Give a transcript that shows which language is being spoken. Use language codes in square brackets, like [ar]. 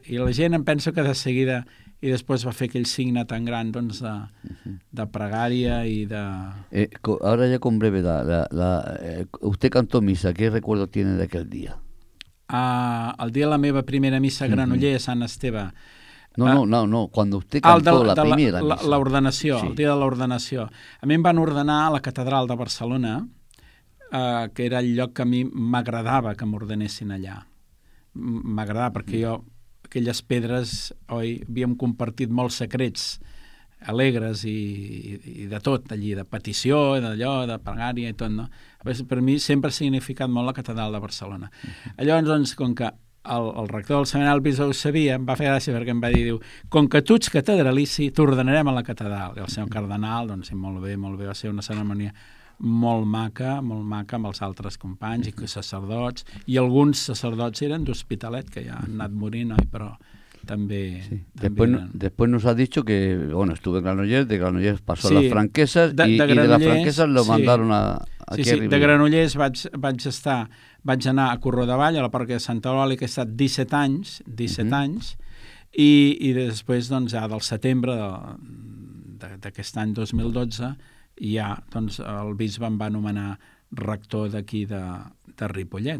[ca] I la gent em penso que de seguida, i després va fer aquell signe tan gran, doncs, de pregària i de... [es] Ahora ya con brevedad, usted cantó missa, ¿qué recuerdo tiene de aquel día? [ca] El dia de la meva primera missa a Granollers, a Sant Esteve. [es] No, cuando usted cantó la primera missa. [ca] L'ordenació, sí. El dia de l'ordenació. A mi em van ordenar a la catedral de Barcelona, que era el lloc que a mi m'agradava que m'ordenessin allà. M'agradava, perquè jo, aquelles pedres, oi, havíem compartit molts secrets alegres i de tot, allí, de petició, d'allò, de pregària i tot, no? Per mi sempre ha significat molt la catedral de Barcelona. Llavors, doncs, com que el rector del seminari, el bisbe, ho sabia, em va fer gràcia perquè em va dir, diu, com que tu ets catedralici, t'ordenarem a la catedral. I el senyor cardenal, doncs, molt bé, va ser una cerimònia molt maca amb els altres companys i sacerdots, i alguns sacerdots eren d'Hospitalet, que ja han anat morint, oi? Però també... Sí. [es] Després nos ha dicho que, bueno, estuve en Granollers, de Granollers pasó sí. Las franqueses de las franqueses lo sí. Mandaron a... [ca] Sí, sí, de Granollers vaig anar a Corró de Vall, a la parròquia de Santa Eulàlia, que he estat 17 anys, 17 uh-huh. anys, i després, doncs, ja del setembre d'aquest any 2012, ja, doncs, el bisbe em va anomenar rector d'aquí de Ripollet.